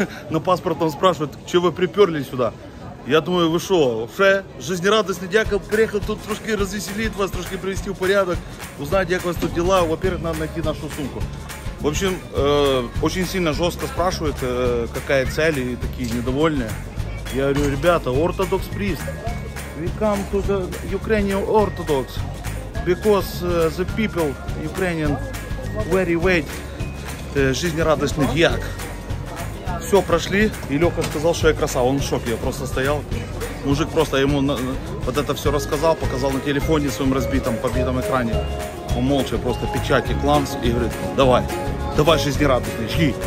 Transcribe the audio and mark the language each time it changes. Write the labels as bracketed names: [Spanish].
[Russian] На паспорт там спрашивают, что вы приперли сюда? Я думаю, вы что, вообще жизнерадостный дьякол приехал тут трошки развеселить вас, трошки привести в порядок, узнать, как у вас тут дела. Во-первых, надо найти нашу сумку. В общем, очень сильно жестко спрашивают, какая цель, и такие недовольные. Я говорю, ребята, [English] Orthodox priest. We come to the Ukrainian Orthodox, because the people Ukrainian very wait. [Russian] Жизнерадостный дьяк. Все, прошли, и Леха сказал, что я красава. Он в шоке, я просто стоял. Мужик просто ему вот это все рассказал, показал на телефоне своем разбитом, побитом экране. Он молча просто печати кланс и говорит, давай. Давай жизнерадостный, жги.